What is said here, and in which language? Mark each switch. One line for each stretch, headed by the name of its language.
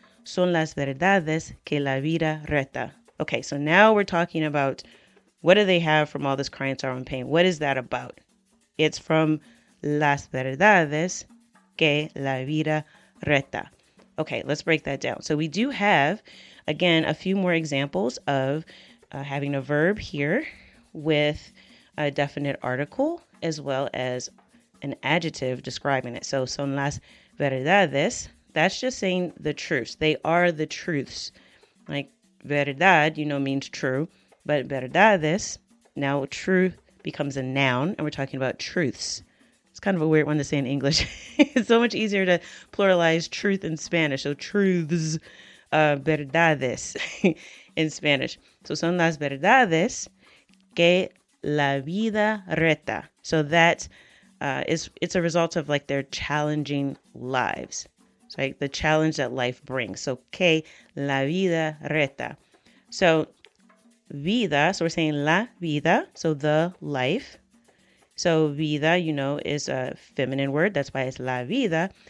Spanish: son las verdades que la vida reta.
English: Okay, so now we're talking about what do they have from all this crying, sorrow, and pain? What is that about? It's from
Spanish: las verdades que la vida reta.
English: Okay, let's break that down. So we do have, again, a few more examples of having a verb here with a definite article as well as an adjective describing it. So
Spanish: son las verdades,
English: that's just saying the truths. They are the truths. Like verdad, you know, means true, but verdades, now truth becomes a noun and we're talking about truths. It's kind of a weird one to say in English. It's so much easier to pluralize truth in Spanish. So truths, verdades in Spanish.
Spanish: So son las verdades que la vida reta.
English: So that it's a result of like their challenging lives. It's like the challenge that life brings. So
Spanish: que la vida reta.
English: So vida, so we're saying la vida, so the life. So vida, you know, is a feminine word. That's why it's la vida.